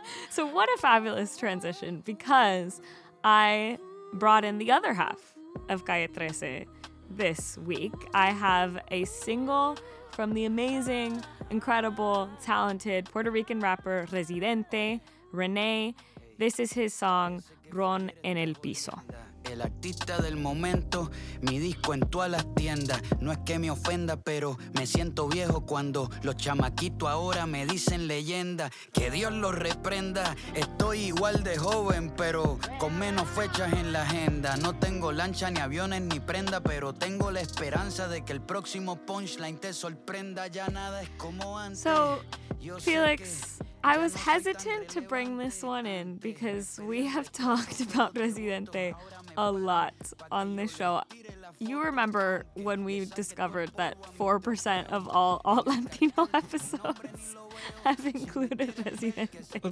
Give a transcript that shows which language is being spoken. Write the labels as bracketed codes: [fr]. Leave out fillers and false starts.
[en] So what a fabulous transition, because I brought in the other half of Calle 13 this week. I have a single from the amazing, incredible, talented Puerto Rican rapper Residente, René. This is his song, Ron en el Piso. [es] El artista del momento, mi disco en todas las tiendas. No es que me ofenda, pero me siento viejo cuando los chamaquitos ahora me dicen leyenda. Que Dios los reprenda, estoy igual de joven, pero con menos fechas en la agenda. No tengo lancha, ni aviones, ni prenda, pero tengo la esperanza de que el próximo punchline te sorprenda. Ya nada es como antes. [en] So, yo Felix, I was hesitant to bring this one in because we have talked about Residente a lot on this show. You remember when we discovered that 4% of all Alt.Latino episodes have included Residente.